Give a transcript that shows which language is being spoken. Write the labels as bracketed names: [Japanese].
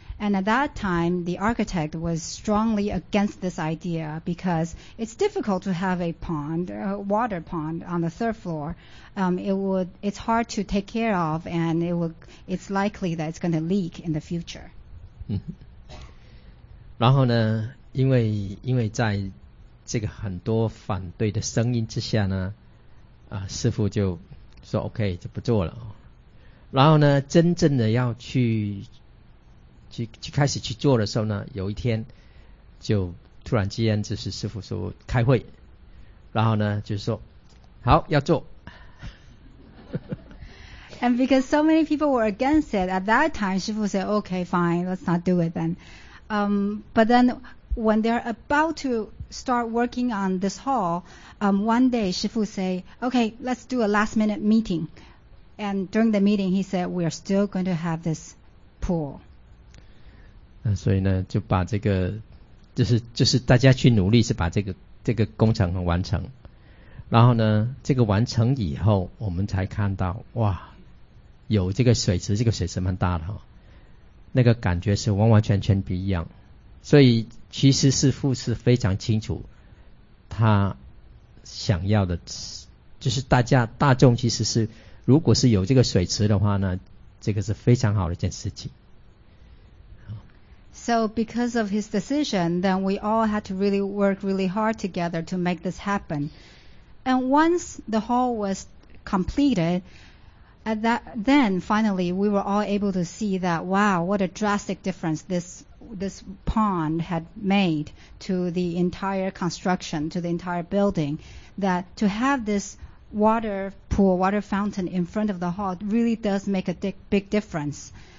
[English] And at that time, the architect was strongly against this idea because it's difficult to have a water pond on the third floor. It's hard to take care of, and it's likely that it's going to leak in the future. [Chinese] 嗯，然后呢，因为在这个很多反对的声音之下呢，师父就说 OK 就不做了。然后呢真正的要去开始去做的时候呢，有一天就突然之间就是师父说开会，然后呢就说好要做。 [English] And because so many people were against it, at that time, Shifu said, okay, fine, let's not do it then. But then when they're about to start working on this hall, one day Shifu said, okay, let's do a last minute meeting. And during the meeting, he said, we're still going to have this pool. [Chinese] 所以呢就把这个就是大家去努力是把这个工程完成。然后呢这个完成以后我们才看到哇有这个水池，这个水池蛮大的哈，那个感觉是完完全全不一样。所以其实师父是非常清楚他想要的，就是大众其实是如果是有这个水池的话呢，这个是非常好的一件事情。 [English] So because of his decision, then we all had to really work really hard together to make this happen. And once the hall was completed,then finally we were all able to see that wow, what a drastic difference this pond had made to the entire construction, to the entire building, that to have this water pool, water fountain in front of the hall really does make a big difference.